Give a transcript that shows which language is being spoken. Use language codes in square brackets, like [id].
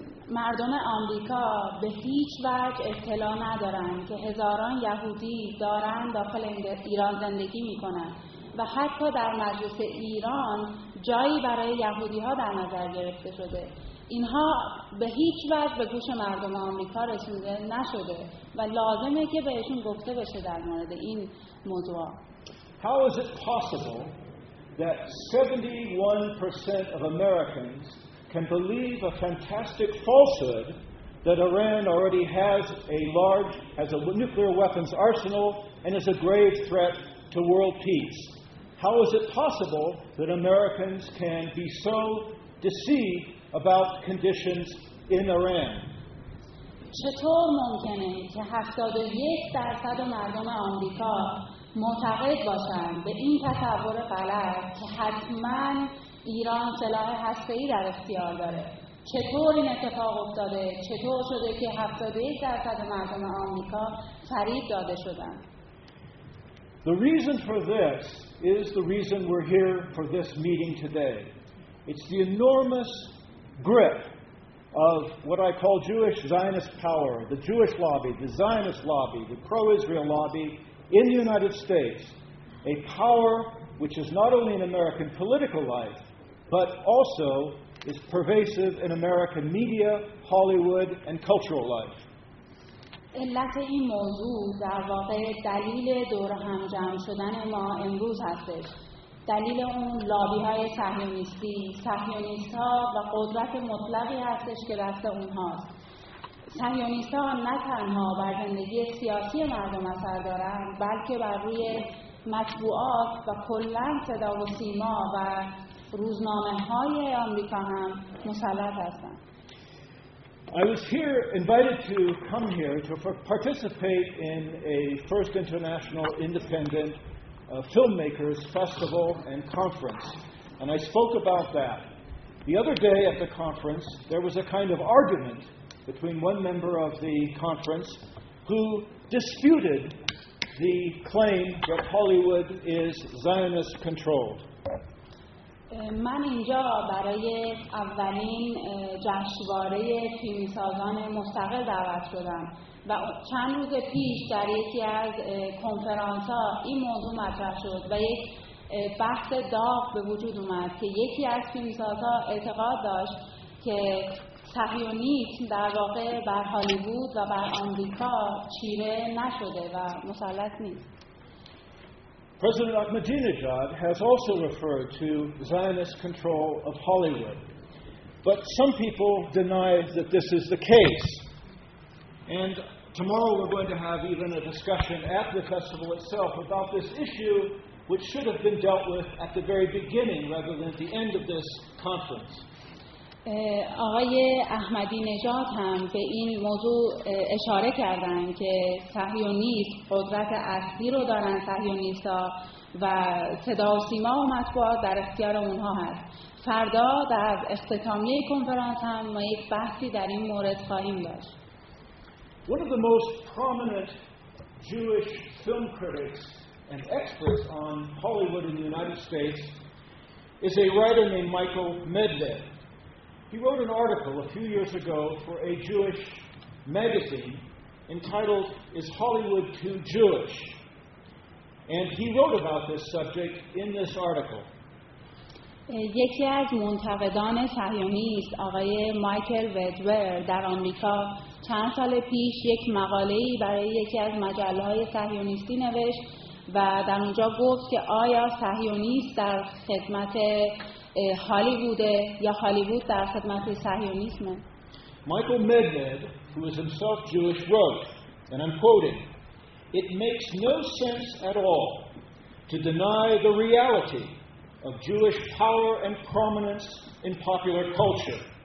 [fa] مردم آمریکا به هیچ وجه اطلاع ندارن که هزاران یهودی دارن داخل ایران زندگی میکنن و حتی در مجلس ایران جایی برای یهودی‌ها در نظر گرفته شده. اینها به هیچ وجه به گوش مردم آمریکا رسیده نشده و لازمه که بهشون گفته بشه در مورد این موضوع. [en] How is it possible that 71% of Americans can believe a fantastic falsehood that Iran already has a nuclear weapons arsenal and is a grave threat to world peace? How is it possible that Americans can be so deceived about conditions in Iran? [fa] چطور ممکنه که 71% مردم آمریکا معتقد باشن به این تصور غلط که حتماً ایران سلاح هسته‌ای در اختیار داره؟ چطور این اتفاق افتاده؟ چطور شده که 71% مردم آمریکا فریب داده شدن؟ [en] The reason for this is the reason we're here for this meeting today. It's the enormous grip of what I call Jewish Zionist power, the Jewish lobby, the Zionist lobby, the pro-Israel lobby in the United States, a power which is not only in American political life, but also is pervasive in American media, Hollywood, and cultural life. [fa] علت این موضوع در واقع دلیل دور هم جمع شدن ما امروز هستش. دلیل اون لابی‌های صهیونیستی، صهیونیست‌ها و قدرت مطلقی هستش که دست اونهاست. صهیونیست‌ها نه تنها بر زندگی سیاسی مردم اثر دارن، بلکه بر روی مطبوعات و کلاً صدا و سیما و روزنامه‌های آمریکا هم مسلط هستن. [en] I was here invited to come here to participate in a first international independent filmmakers festival and conference, and I spoke about that. The other day at the conference, there was a kind of argument between one member of the conference who disputed the claim that Hollywood is Zionist controlled. [fa] من اینجا برای اولین جشنواره فیلمسازان مستقل دعوت شدم و چند روز پیش در یکی از کنفرانس‌ها این موضوع مطرح شد و یک بحث داغ به وجود اومد که یکی از فیلمسازها اعتقاد داشت که صهیونیسم در واقع بر هالیوود و بر آمریکا چیره نشده و مسلط نیست. [en] President Ahmadinejad has also referred to Zionist control of Hollywood. But some people deny that this is the case. And tomorrow we're going to have even a discussion at the festival itself about this issue, which should have been dealt with at the very beginning rather than at the end of this conference. [fa] آقای احمدی‌نژاد هم به این موضوع اشاره کردن که صهیونیست قدرت اصلی رو دارن صهیونیست‌ها و صدا و سیما و مطبوعات در اختیار اونها هست. فردا در اختتامیه کنفرانس هم ما یک بحثی در این مورد خواهیم داشت. [en] One of the most prominent Jewish film critics and experts on Hollywood in the United States is a writer named Michael Medved. He wrote an article a few years ago for a Jewish magazine entitled Is Hollywood Too Jewish? And he wrote about this subject in this article. [fa] یکی از منتقدان صهیونیست آقای مایکل ودور در آمریکا چند سال پیش یک مقاله‌ای برای یکی از مجله‌های صهیونیستی نوشت و در اونجا گفت که آیا صهیونیست در خدمت هالیوود یا هالیوود در خدمت صهیونیسم؟ [en] Michael Medved, who is himself Jewish, wrote, and I'm quoting, "It makes no sense at all to deny the reality of Jewish power and prominence in popular culture.